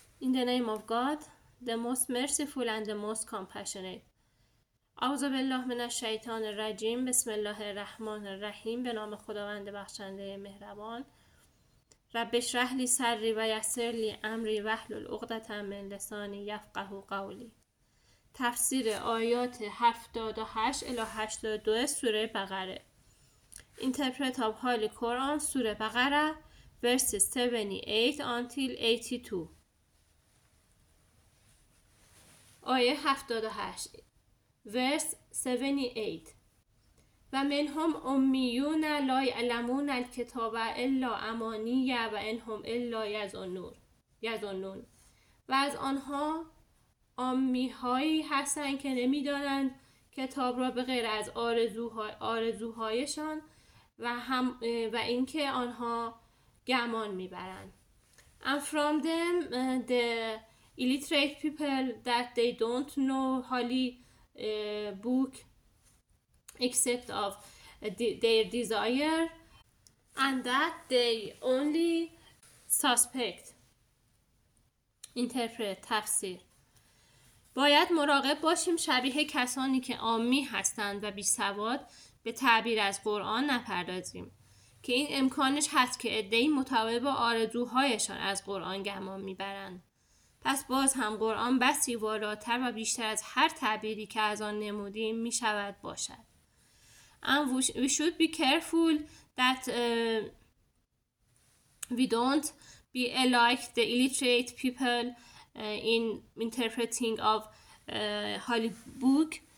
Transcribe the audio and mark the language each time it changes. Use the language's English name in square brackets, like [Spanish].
[English] In the name of God, the most merciful and the most compassionate. [Arabic] اعوذ بالله من الشیطان الرجیم. بسم الله الرحمن الرحیم. [Persian] به نام خداوند بخشنده مهربان. [Arabic] رب اشرح لی صدری و یسر لی امری و احلل عقدة من لسانی یفقه قولی. [Persian] تفسیر آیات 78 الی 82 سوره بقره. [English] Interpret of Holy Quran, سوره بقره, verses 78 until 82. [Persian] آیه 78 [English] verse 78. [Arabic] و من هم امیون لا یعلمون الکتاب الا امانی و ان هم الا یظنون. [Persian] و از آنها امیهایی هستند که نمی دانند کتاب را به غیر از آرزوهایشان و هم و اینکه آنها گمان می برند. [English] And from them the illiterate people that they don't know holy book except of their desire and that they only suspect interpret تفسیر. [Persian] باید مراقب باشیم شبیه کسانی که عامی هستند و بی سواد به تعبیر از قرآن نپردازیم که این امکانش هست که عده‌ای مطابق آرزوهایشان از قرآن گمان میبرند. پس باز هم قرآن بسی والاتر و بیشتر از هر تعبیری که از آن نمودیم می شود باشد. [English] And we should be careful that we don't be like the illiterate people in interpreting of holy book.